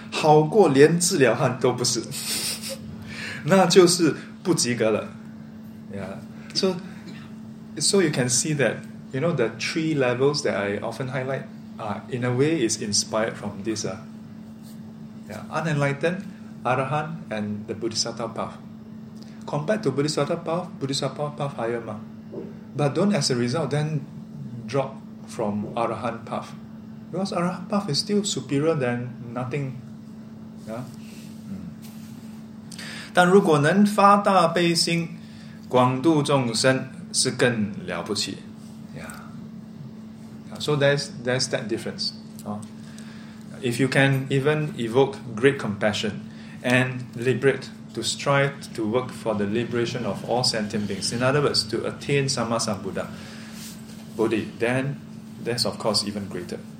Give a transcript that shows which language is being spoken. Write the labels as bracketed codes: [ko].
[zh] 好过连治疗汉都不是, 那就是不及格了, yeah? [en] So you can see that, you know, the three levels that I often highlight are, in a way, is inspired from this. Unenlightened, arahant, and the bodhisattva path. Compared to bodhisattva path higher, ma. But don't, as a result, then drop from arahant path. Because arahant path is still superior than nothing. Yeah? [zh] 但如果能发大悲心, 广度众生是更了不起。 [en] Yeah. So there's that difference. If you can even evoke great compassion and liberate, to strive to work for the liberation of all sentient beings, in other words, to attain Sammasambuddha Bodhi, then that's of course even greater.